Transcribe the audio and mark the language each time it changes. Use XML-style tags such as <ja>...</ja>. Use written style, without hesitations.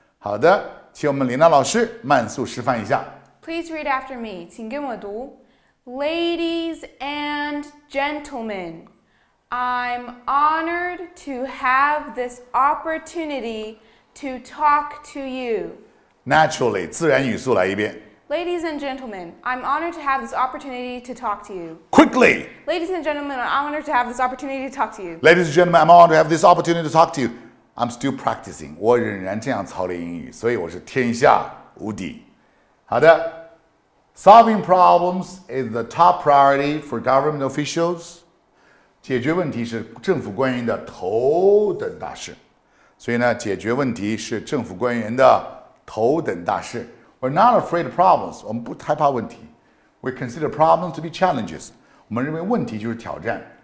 <zh>好的，请我们李娜老师慢速示范一下。</zh> <en>Please read after me，</en> <zh>请跟我读。</zh> <en>Ladies and gentlemen， I'm honored to have this opportunity to talk to you Naturally,</en> <zh>自然语速来一遍。</zh> <en>Ladies and gentlemen, I'm honored to have this opportunity to talk to you. Quickly! Ladies and gentlemen, I'm honored to have this opportunity to talk to you. Ladies and gentlemen, I'm honored to have this opportunity to talk to you. I'm still practicing.</en> <zh>我仍然这样操练英语，所以我是天下无敌。好的。</zh> <en>Solving problems is the top priority for government officials.</en> <zh>解决问题是政府官员的头等大事。所以呢，解决问题是政府官员的头等大事。</zh> <en>We're not afraid of problems，</en> <zh>我们不害怕问题。</zh> <en>We consider problems to be challenges，</en> <zh>我们认为问题就是挑战。</zh>